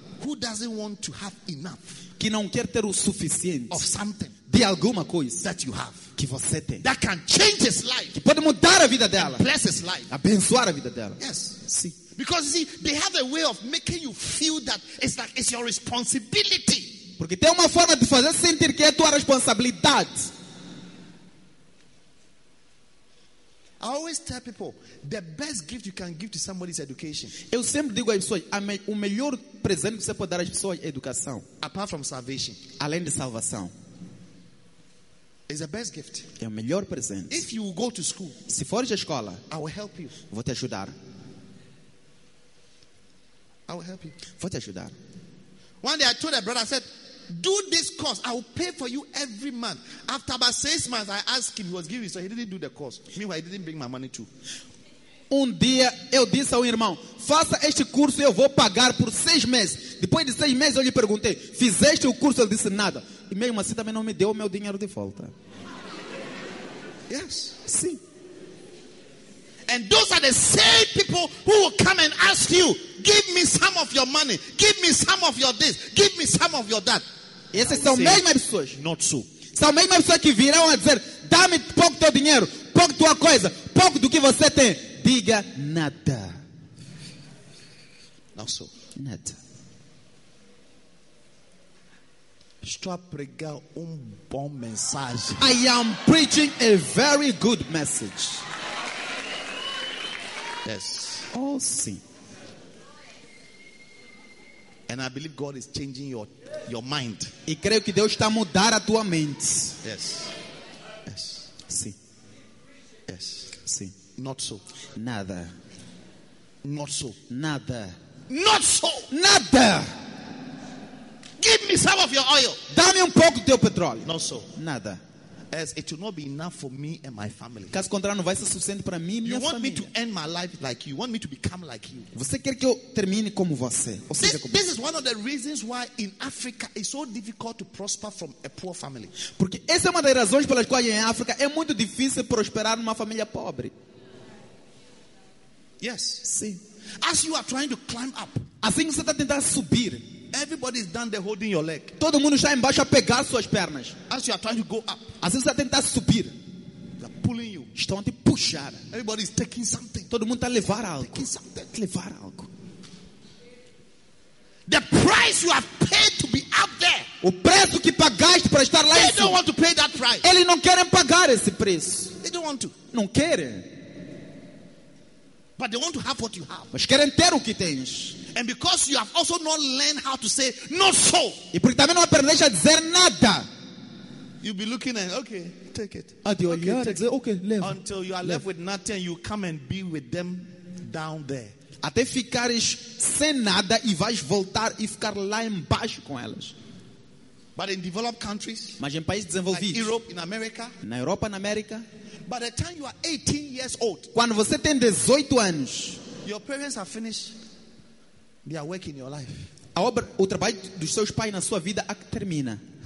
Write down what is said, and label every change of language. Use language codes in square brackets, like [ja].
[en] Who doesn't want to have enough. [pt] Que não quer ter o suficiente. [en] Of something. [pt] De alguma coisa. [en] That you have. [pt] Que você tem. [en] That can change his life. [pt] Que pode mudar a vida dela. [en] Bless his life. [pt] Abençoar a vida dela. [en] Yes. [pt] Sim. [en] Because you see, they have a way of making you feel that it's like it's your responsibility. [pt] Porque tem uma forma de fazer sentir que é tua responsabilidade. [en] I always tell people, the best gift you can give to somebody is education. [pt] Eu sempre digo às pessoas, o melhor presente que você pode dar às pessoas é educação. [en] Apart from salvation. [pt] Além de salvação. [en] Is the best gift. [pt] É o melhor presente. [en] If you go to school, [pt] se fores à escola, [en] I will help you. [pt] Vou te ajudar. [en] I will help you. [pt] Vou te ajudar. [en] One day I told a brother, I said, do this course. I will pay for you every month. After about 6 months, I asked him, he was giving me, so he didn't do the course. Meanwhile, he didn't bring my money too. [pt] Um dia eu disse ao irmão, faça este curso e eu vou pagar por 6 meses. Depois de 6 meses eu lhe perguntei, fizeste o curso? Ele disse nada. E mesmo assim também não me deu o meu dinheiro de volta. [en] Yes. [pt] Sim. [en] And those are the same people who will come and ask you, give me some of your money, give me some of your this, give me some of your that. [pt] Essas são mesmas pessoas. [en] Not so. [pt] São mesmas pessoas que virão a dizer, dá-me pouco teu dinheiro, pouco tua coisa, pouco do que você tem. Diga nada. Não sou. Nada. Estou a pregar bom mensagem. [en] I am preaching a very good message. Yes. [pt] Oh, sim. [en] And I believe God is changing your mind. [pt] E creio que Deus está a mudar a tua mente. [en] Yes. Yes. [pt] Sim. [en] Yes. [pt] Sim. [en] Not so. [pt] Nada. [en] Not so. [pt] Nada. [en] Not so. [pt] Nada. [en] Give me some of your oil. [pt] Dá-me pouco do teu petróleo. [en] Not so. [pt] Nada. [en] As it will not be enough for me and my family. [pt] Caso contrário, não vai ser suficiente para mim e minha família. [en] You want me to end my life like you? You want me to become like you? [pt] Você quer que eu termine como você? [en] This is one of the reasons why in Africa it's so difficult to prosper from a poor family. [pt] Porque essa é uma das razões pelas quais em África é muito difícil prosperar numa família pobre. [en] Yes. [pt] Sim. [en] As you are trying to climb up. [pt] Assim você está tentando subir. [en] Everybody is down there holding your leg. [pt] Todo mundo está embaixo a pegar suas pernas. [en] As you are trying to go up. [pt] Assim você está tentando subir. [en] They are pulling you. [pt] Estão a te puxar. [en] Everybody is taking something. [pt] Todo mundo está a levar algo. [en] Taking something. [pt] Levar algo. [en] The price you have paid to be up there. [pt] O preço que pagaste para estar lá. [en] They don't want to pay that price. [pt] Eles não querem pagar esse preço. [en] They don't want to. [pt] Não querem. [en] But they want to have what you have. [pt] Mas querem ter o que tens. [en] And because you have also not learned how to say not so. [pt] E porque também não aprendeste a dizer nada. [en] You'll be looking at, okay, take it. [pt] Okay, leva. [en] Until you are left with nothing, you come and be with them down there. [pt] até ficares sem nada e vais voltar e ficar lá embaixo com elas. [en] But in developed countries, [pt] mas em países desenvolvidos, [en] like Europe, in America, [pt] na Europa, na América, [en] by the time you are 18 years old, [pt] quando você tem 18 anos, [en] your parents have finished their work in your life. [pt] A obra, o trabalho dos seus pais na sua vida termina.